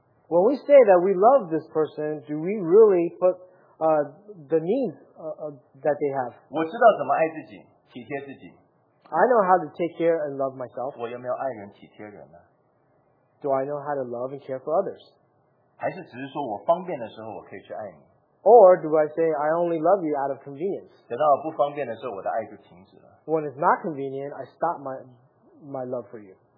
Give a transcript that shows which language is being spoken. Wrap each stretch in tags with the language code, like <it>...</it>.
<en>When we say that we love this person, do we really put the needs that they have?</en> <zh>我知道怎么爱自己，体贴自己。</zh> <en>I know how to take care and love myself.</en> <zh>我有没有爱人体贴人呢？</zh> <en>Do I know how to love and care for others?</en> <zh>还是只是说我方便的时候我可以去爱你？</zh> <en>Or do I say I only love you out of convenience?</en> <zh>等到我不方便的时候，我的爱就停止了。</zh> <en>When it's not convenient, I stop my love for you.</en>